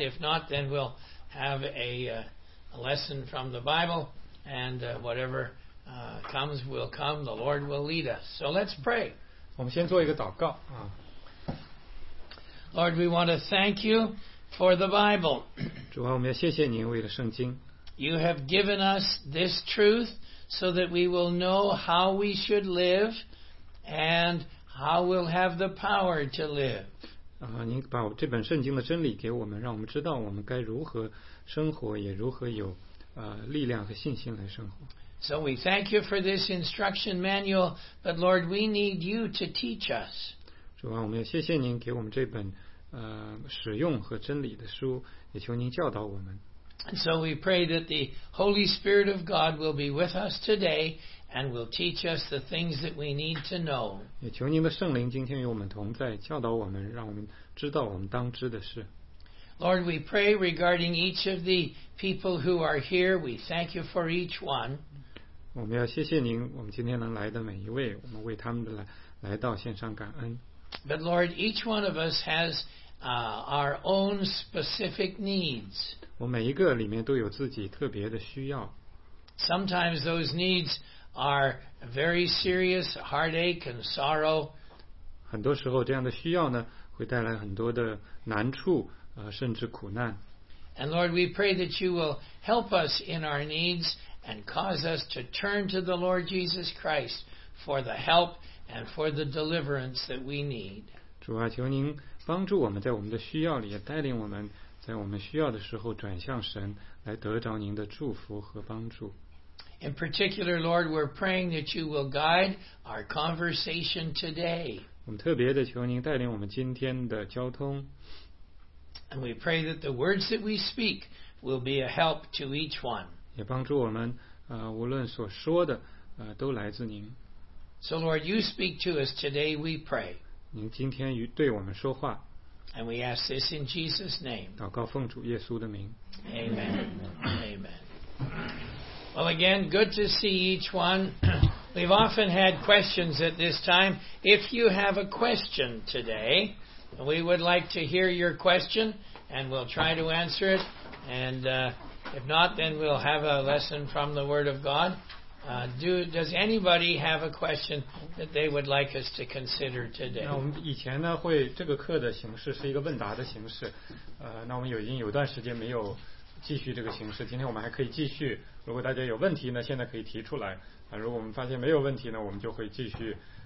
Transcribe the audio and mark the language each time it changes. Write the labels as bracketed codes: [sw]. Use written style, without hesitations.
[en] If not, then we'll have a lesson from the Bible, and whatever comes will come. The Lord will lead us. So let's pray. [zh] 我们先做一个祷告啊。 [en] Lord, we want to thank you for the Bible. [zh] 主啊，我们要谢谢您为了圣经。 [en] You have given us this truth so that we will know how we should live and how we'll have the power to live. [zh] 您把这本圣经的真理给我们，让我们知道我们该如何生活，也如何有力量和信心来生活。 [en] So we thank you for this instruction manual, but Lord, we need you to teach us. [zh] 主啊，我们要谢谢您给我们这本使用和真理的书，也求您教导我们。 [en] And so we pray that the Holy Spirit of God will be with us today and will teach us the things that we need to know. [zh] 也求您的圣灵今天与我们同在，教导我们，让我们知道我们当知的事。 [en] Lord, we pray regarding each of the people who are here. We thank you for each one. [zh] 我们要谢谢您，我们今天能来的每一位，我们为他们的来到献上感恩。 [en] But Lord, each one of us has our own specific needs. [zh] 我每一个里面都有自己特别的需要。 [en] Sometimes those needs are very serious heartache and sorrow. [zh] 很多时候这样的需要呢，会带来很多的难处。甚至苦难。 [en] And Lord, we pray that you will help us in our needs and cause us to turn to the Lord Jesus Christ for the help and for the deliverance that we need. [zh] 主啊，求您帮助我们在我们的需要里，也带领我们在我们需要的时候转向神，来得着您的祝福和帮助。 [en] In particular, Lord, we're praying that you will guide our conversation today. [zh] 我们特别的求您带领我们今天的交通。 [en] And we pray that the words that we speak will be a help to each one. [zh] 也帮助我们，无论所说的，都来自您。 [en] So Lord, you speak to us today, we pray. [zh] 您今天对我们说话。 [en] And we ask this in Jesus' name. [zh] 祷告奉主耶稣的名。 [en] Amen. Amen. Well, again, good to see each one. We've often had questions at this time. If you have a question today, we would like to hear your question, and we'll try to answer it. And if not, then we'll have a lesson from the Word of God. Does anybody have a question that they would like us to consider today? [zh] 那我们以前呢，会这个课的形式是一个问答的形式。那我们已经有段时间没有继续这个形式。今天我们还可以继续。如果大家有问题呢，现在可以提出来。如果我们发现没有问题呢，我们就会继续。